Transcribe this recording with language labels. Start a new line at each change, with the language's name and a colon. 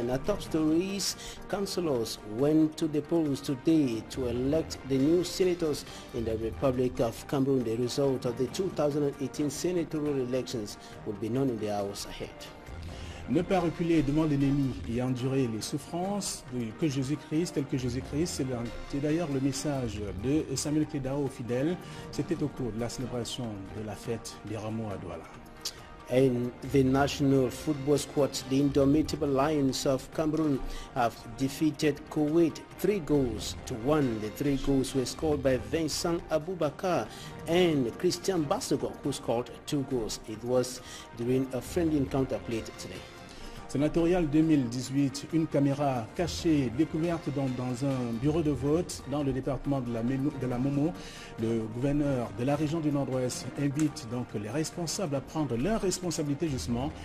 English: In our top stories, councillors went to the polls today to elect the new senators in the Republic of Cameroon. The result of the 2018 senatorial elections will be known in the hours ahead.
French: Ne pas reculer devant l'ennemi et endurer les souffrances que Jésus-Christ, tel que Jésus-Christ, c'est d'ailleurs le message de Samuel Kédao aux fidèles. C'était au cours de la célébration de la fête des Rameaux à Douala.
English: And the national football squad, the Indomitable Lions of Cameroon, have defeated Kuwait 3-1. The 3 goals were scored by Vincent Aboubakar and Christian Bassogo, who scored 2 goals. It was during a friendly encounter played today.
French: Sénatorial 2018, une caméra cachée découverte dans un bureau de vote dans le département de la Momo. Le gouverneur de la région du Nord-Ouest invite donc les responsables à prendre leurs responsabilités justement.